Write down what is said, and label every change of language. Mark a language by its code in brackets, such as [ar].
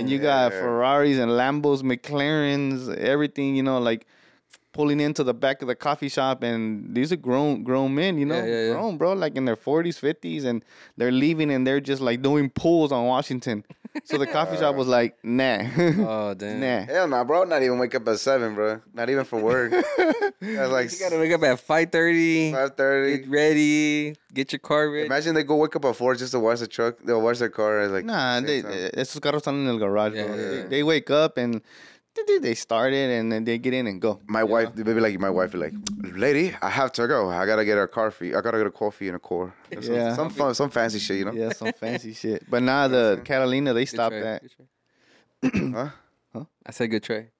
[en] And you got Ferraris and Lambos, McLarens, everything, you know, like pulling into the back of the coffee shop, and these are grown men, you know, grown, bro, like in their 40s, 50s, and they're leaving, and they're just like doing pulls on Washington. So the coffee shop was like, nah. Oh, damn. Nah. Hell nah, bro. Not even wake up at 7, bro. Not even for work. Like, you gotta wake up at 5:30. 5:30. Get ready. Get your car ready. Imagine they go wake up at 4 just to wash the truck. They'll wash their car. Like, [es] nah, esos carros están en el garage, bro. [en] They wake up and they start it and then they get in and go. My wife, lady, I have to go. I gotta get a car for you. I gotta get a coffee and a core. Some fancy shit, you know? Yeah, some fancy shit. But now the Catalina, they stopped that. Huh? I said good try.